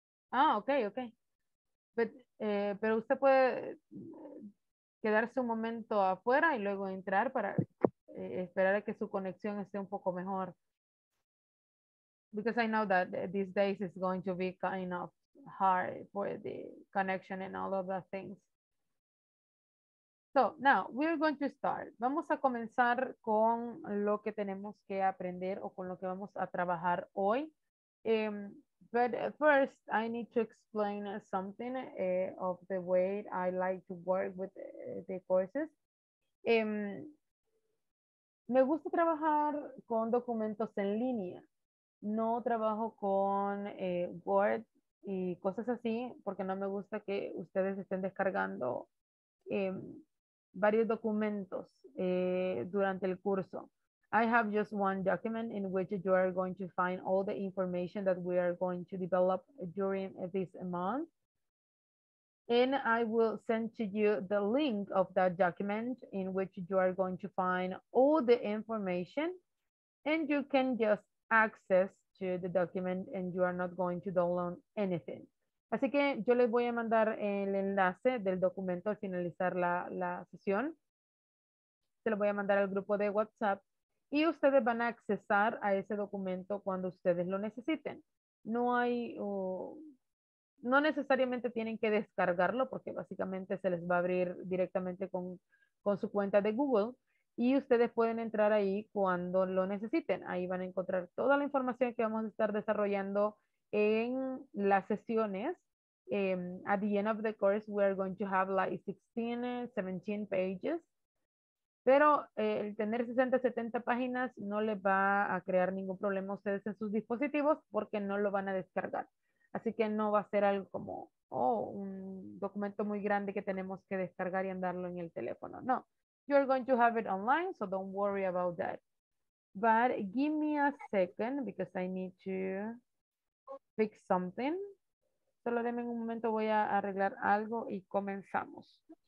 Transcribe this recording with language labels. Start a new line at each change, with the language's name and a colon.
Spanish: Ah, okay. Pero usted puede quedarse un momento afuera y luego entrar para esperar a que su conexión esté un poco mejor.
English: Because I know that these days it's going to be kind of hard for the connection and all of the things. So now we're going to start.
Spanish: Vamos a comenzar con lo que tenemos que aprender o con lo que vamos a trabajar hoy.
English: But first, I need to explain something of the way I like to work with the courses.
Spanish: Me gusta trabajar con documentos en línea. No trabajo con Word y cosas así, porque no me gusta que ustedes estén descargando varios documentos durante el curso.
English: I have just one document in which you are going to find all the information that we are going to develop during this month. And I will send to you the link of that document in which you are going to find all the information. And you can just access to the document and you are not going to download anything.
Spanish: Así que yo les voy a mandar el enlace del documento al finalizar la sesión. Se lo voy a mandar al grupo de WhatsApp. Y ustedes van a accesar a ese documento cuando ustedes lo necesiten. No necesariamente tienen que descargarlo porque básicamente se les va a abrir directamente con su cuenta de Google y ustedes pueden entrar ahí cuando lo necesiten. Ahí van a encontrar toda la información que vamos a estar desarrollando en las sesiones.
English: At the end of the course, we are going to have like 16, 17 pages.
Spanish: Pero el tener 60, 70 páginas no les va a crear ningún problema a ustedes en sus dispositivos porque no lo van a descargar. Así que no va a ser algo como, oh, un documento muy grande que tenemos que descargar y andarlo en el teléfono. No.
English: You're going to have it online, so don't worry about that. But give me a second because I need to fix something.
Spanish: Solo denme un momento, voy a arreglar algo y comenzamos.